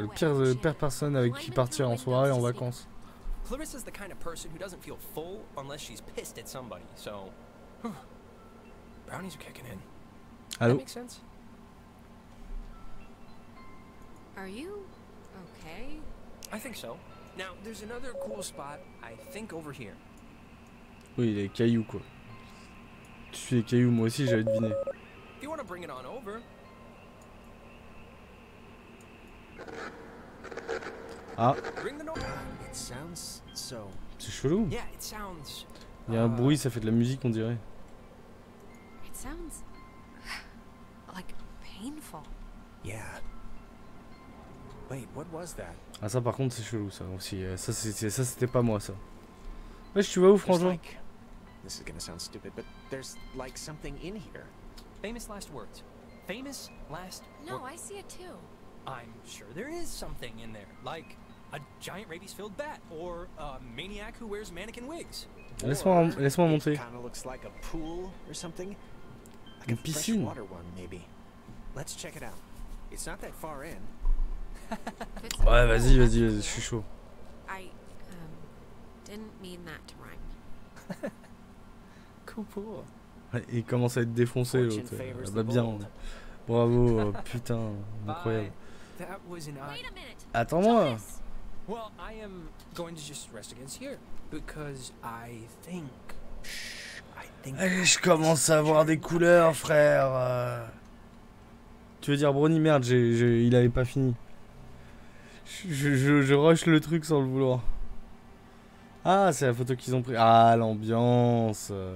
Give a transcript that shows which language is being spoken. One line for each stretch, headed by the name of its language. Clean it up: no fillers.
French: Le pire personne avec qui partir en soirée, en vacances.
English: Clarissa is the kind of person who doesn't feel full unless she's pissed at somebody, so... Brownies are kicking in.
French: Allô?
English: That makes sense? Are you... okay? I think so. Now, there's another cool spot, I think over here.
French: Oui, les cailloux quoi. Tu suis les cailloux, moi aussi j'avais deviné.
English: If you want to bring it on over... Ah. Bring the note. It sounds so.
French: C'est chelou.
English: Yeah, it sounds.
French: Il y a un bruit, ça fait de la musique, on dirait.
English: It sounds like painful. Yeah. Wait, what was that?
French: Ah ça par contre, c'est chelou ça aussi. Ça c'était pas moi ça. Wesh, tu vas où franchement?
English: This is gonna sound stupid, but there's like something in here. Famous last words. Famous last words. No, I see it too. I'm sure there is something in there, like a giant rabies-filled bat, or a maniac who wears mannequin wigs.
French: Laisse-moi monter.
English: Kind of looks like a pool or something, like a freshwater one, maybe. Let's check it out. It's not that far in.
French: Ouais, vas-y, je suis chaud.
English: I didn't mean that to rhyme. Cool pool.
French: Il commence à être défoncé, l'autre. Va bien. Bravo, putain, incroyable.
English: That was an odd...
French: Attends-moi.
English: Well, I am going to just rest against here because I think. I think.
French: Allez, je commence à voir des couleurs, frère. Tu veux dire Brownie, merde, il avait pas fini. Je rush le truc sans le vouloir. Ah, c'est la photo qu'ils ont pris. Ah, l'ambiance.